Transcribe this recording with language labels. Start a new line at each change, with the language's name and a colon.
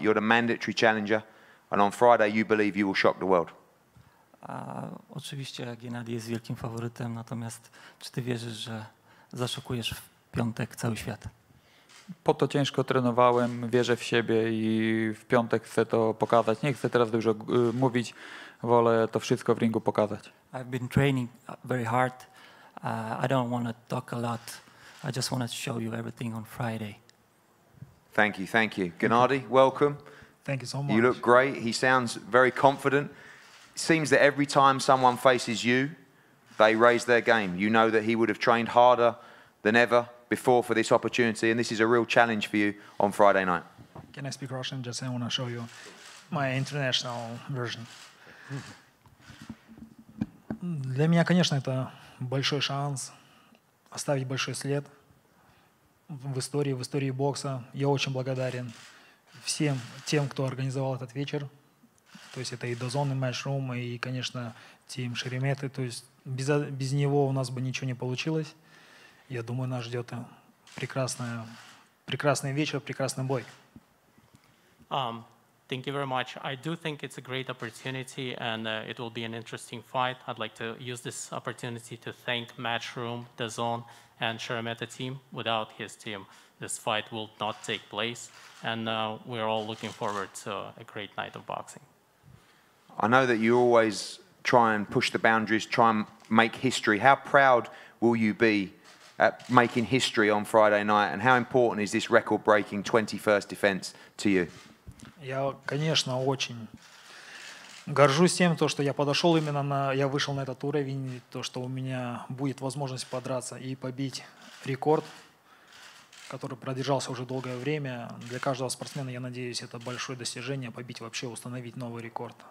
English: You're the mandatory challenger, and on Friday you believe you will shock the world.
Polish: Oczywiście Gennady jest wielkim faworytem, natomiast czy ty wierzysz, że zaszokujesz w piątek cały świat? Po to ciężko trenowałem, wierzę w siebie i w piątek chcę to pokazać. Nie chcę teraz dużo mówić, wolę to wszystko w ringu pokazać.
English: I've been training very hard. I don't want to talk a lot. I just want to show you everything on Friday. Thank you, thank you. Gennady, welcome. Thank you so much. You look great. He sounds very confident. Seems that every time someone faces you, they raise their game. You know that he would have trained harder than ever before for this opportunity, and this is a real challenge for you on Friday night. Can I speak Russian? Just I want to show you my international version.
Russian: Для меня, конечно, это большой шанс оставить большой след в истории бокса. Я очень благодарен всем тем, кто организовал этот вечер. То есть это и DAZN, и Matchroom, и, конечно, Team Шеремета. То есть без него у нас бы ничего не получилось. Я думаю, нас ждет прекрасный вечер, прекрасный бой.
English: Thank you very much. I do think it's a great opportunity and it will be an interesting fight. I'd like to use this opportunity to thank Matchroom, DAZN and Szeremeta team. Without his team, this fight will not take place. And we're all looking forward to a great night of boxing. I know that you always try and push the boundaries, try and make history. How proud will you be at making history on Friday night? And how important is this record-breaking 21st defense to you?
Russian: Я, конечно, очень горжусь тем, что я подошел именно на... Я вышел на этот уровень, то, что у меня будет возможность подраться и побить рекорд, который продержался уже долгое время. Для каждого спортсмена, я надеюсь, это большое достижение, побить вообще, установить новый рекорд.